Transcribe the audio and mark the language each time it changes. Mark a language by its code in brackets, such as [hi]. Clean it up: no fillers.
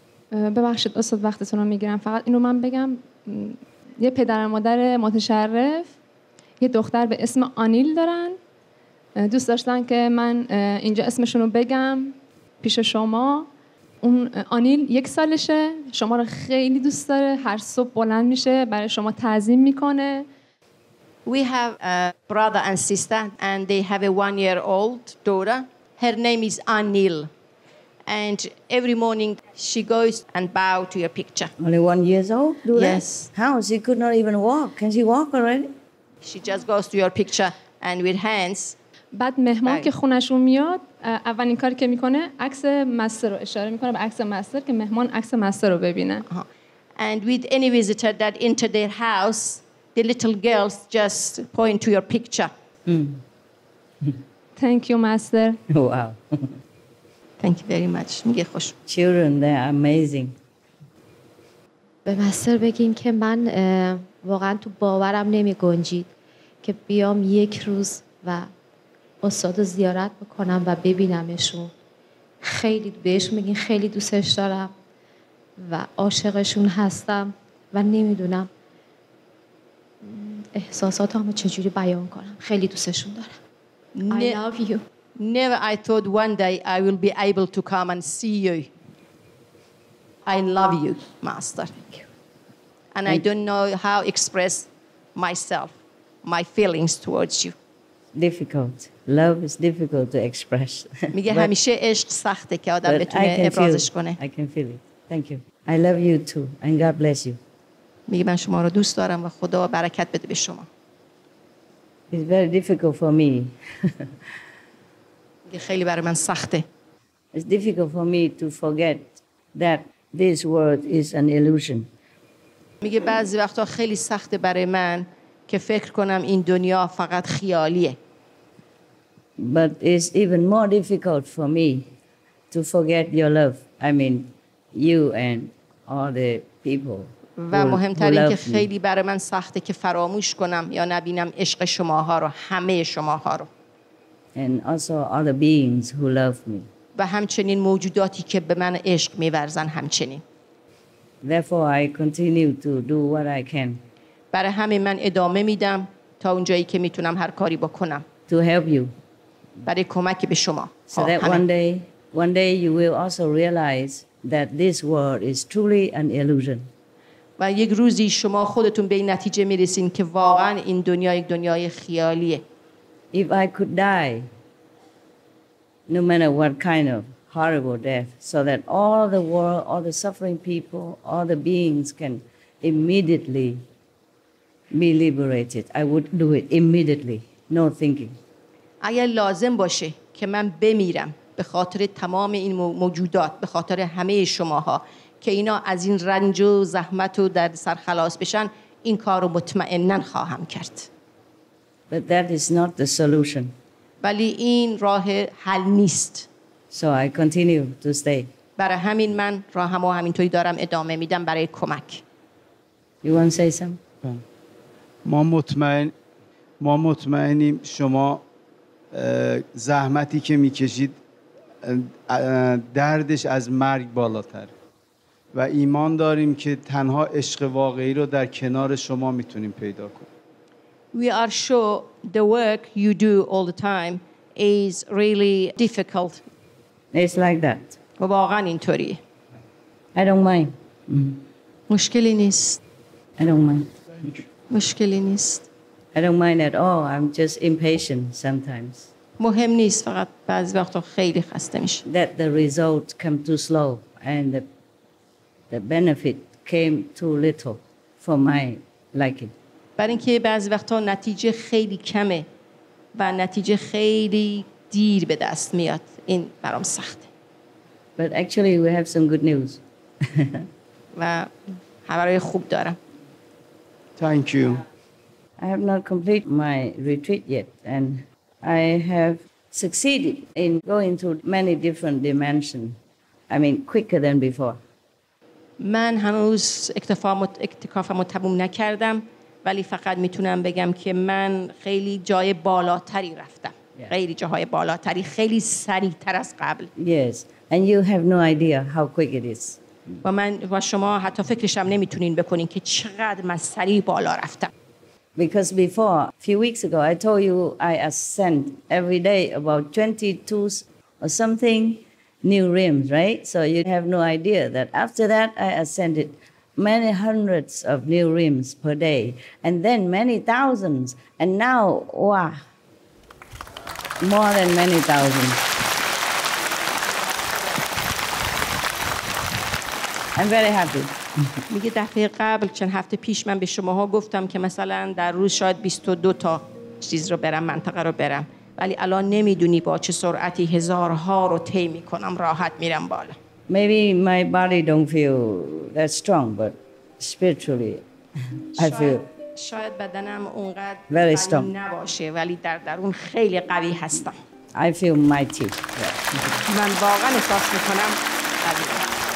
[fa] ببخشید استاد وقتتون رو میگیرم فقط اینو من بگم یه پدر و مادر متشرف یه دختر به اسم آنیل دارن دوست داشتن که من اینجا اسمشون رو بگم پیش شما اون آنیل یک سالشه شما رو خیلی دوست داره هر صبح بلند میشه برای شما تعظیم میکنه [en] We have a brother and sister and they have a 1-year-old daughter her name is Anil And every morning she goes and bow to your picture. Only 1 year old? Do yes. That? How? She could not even walk. Can she walk already? She just goes to your picture and with hands. [fa] بعد مهمان که خونشون میاد اولین کاری که میکنه عکس مستر رو اشاره میکنه به عکس مستر که مهمان عکس مستر رو ببینه. [en] And with any visitor that enter their house, the little girls just point to your picture. Thank you, Master. Wow. Thank you very much. [fa] میگه خوش. [en] Children, they are amazing. [fa] به مستر بگین که من واقعا تو باورم نمی گنجید که بیام یک روز و استاد زیارت بکنم و ببینمشون. خیلی بهش میگین خیلی دوستش دارم و عاشقشون هستم و نمیدونم احساساتم رو چجوری بیان کنم. خیلی دوستشون دارم. [en] I love you. Never I thought one day I will be able to come and see you. I love you, Master. Thank you. And I don't know how to express myself, my feelings towards you. Difficult. Love is difficult to express. But I can feel it. Thank you. I love you too. And God bless you. It's very difficult for me. [fa] خیلی برای من سخته. [en] It's difficult for me to forget that this world is an illusion. [fa] میگه بعضی وقتا خیلی سخته برای من که فکر کنم این دنیا فقط خیالیه. [en] But it's even more difficult for me to forget your love. I mean, you and all the people. [fa] و مهمتر این که خیلی برای من سخته که فراموش کنم یا نبینم عشق شماها رو، همه شماها رو. [en] And also all the beings who love me. [fa] و همچنین موجوداتی که به من عشق می‌ورزن همچنین. [en] Therefore, I continue to do what I can. [fa] برای همه من ادامه میدم تا اونجایی که میتونم هر کاری بکنم. [en] To help you. [fa] برای کمک به شما. [en] So that one day you will also realize that this world is truly an illusion. [fa] و یک روزی شما خودتون به این نتیجه میرسین که واقعا این دنیا یک دنیای خیالیه. [en] If I could die, no matter what kind of horrible death, so that all the world, all the suffering people, all the beings can immediately be liberated, I would do it immediately, no thinking. [fa] اگر لازم باشه که من بمیرم به خاطر تمام این موجودات، به خاطر همه شماها که اینا از این رنج و زحمت و درد سر خلاص بشن، این کار رو مطمئنن خواهم کرد. [en] But that is not the solution. [fa] ولی این راه حل نیست. [en] So I continue to stay. [fa] برای همین من راهم و همینطوری دارم ادامه میدم برای کمک. [en] You want to say something? [fa] ما مطمئنیم شما زحمتی که میکشید دردش از مرگ بالاتر. و ایمان داریم که تنها عشق واقعی رو در کنار شما میتونیم پیدا کنیم. [en] We are sure the work you do all the time is really difficult. It's like that. [fa] و واقعا اینطوری. [en] I don't mind. [fa] مشکلی نیست. [en] I don't mind. [fa] مشکلی نیست. [en] I don't mind at all. I'm just impatient sometimes. [fa] مهم نیست، فقط بعضی وقتا خیلی خسته میشه. [en] That the result came too slow and the benefit came too little for my liking. [fa] برای اینکه بعضی وقتا نتیجه خیلی کمه و نتیجه خیلی دیر به دست میاد، این برام سخته. [en] But actually we have some good news. [fa] و خبرهای خوب دارم. [en] Thank you. I have not completed my retreat yet and I have succeeded in going to many different dimensions. I mean quicker than before. [fa] من هنوز اکتفامو تموم نکردم، ولی فقط میتونم بگم که من خیلی جای بالاتری رفتم. [en] Yeah. [fa] خیلی جاهای بالاتری، خیلی سریعتر از قبل. [en] Yes. And you have no idea how quick it is. و شما حتی فکرش هم نمیتونین بکنین که چقدر من سریع بالا رفتم. Because before, few weeks ago, I told you I ascend every day about 22 or something new realms, right? So you have no idea that after that I ascended many hundreds of new rims per day, and then many thousands, and now, wow, more than many thousands. I'm very happy. [fa] میگه دفعه قبل چند هفته پیش من به شماها گفتم که مثلا در روز شاید 22 تا چیز رو برم، منطقه رو برم، ولی الان نمیدونی با چه سرعتی هزارها رو طی میکنم، راحت میرم بالا. [en] Maybe my body don't feel that strong, but spiritually. I feel [fa] شاید بدنم اونقدر [en] very strong [fa] نباشه ولی در درون خیلی قوی هستم. [en] I feel mighty. [fa] من واقعا احساس میکنم قوی.